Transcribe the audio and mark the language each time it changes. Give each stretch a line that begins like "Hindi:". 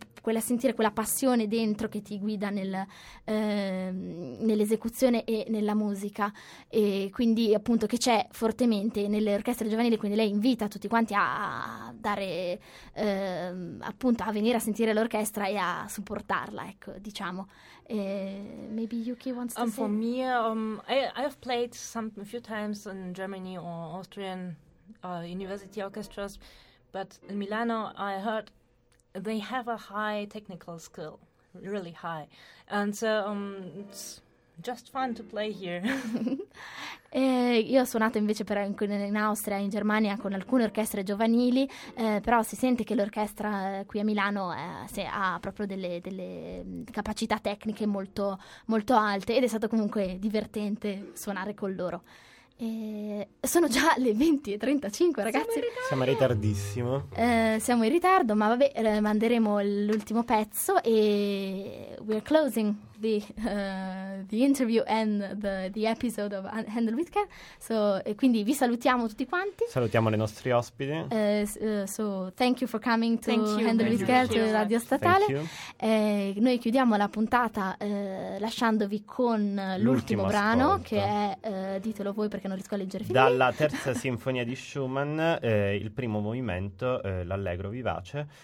Italian: quella passione dentro che ti guida nell'esecuzione e nella musica, e quindi appunto che c'è fortemente nelle orchestre giovanili, quindi lei invita tutti quanti a dare appunto a venire a sentire l'orchestra e a supportarla, ecco, diciamo.
English: Maybe Yuki wants to say. For me, I have played a few times in Germany or Austrian university orchestras, but in Milano I heard they have a high technical skill, really high, and so it's just fun to play here.
Italian: Io ho suonato invece però in Austria, in Germania, con alcune orchestre giovanili, però si sente che l'orchestra qui a Milano ha proprio delle capacità tecniche molto, molto alte, ed è stato comunque divertente suonare con loro. Sono già le 20:35, ragazzi. Siamo in ritardissimo. Siamo in ritardo, ma vabbè, manderemo l'ultimo pezzo.
English: E we're closing the interview and the episode of Handel with Care.
Italian: So, e quindi vi salutiamo tutti quanti. Salutiamo le nostre ospiti.
English: So thank you for coming to Handel with Care, to Radio Statale.
Italian: Noi chiudiamo la puntata lasciandovi con l'ultimo brano, ascolto, che è ditelo voi perché non riesco a leggere fin dalla qui. Terza sinfonia di Schumann, il primo movimento, l'allegro vivace.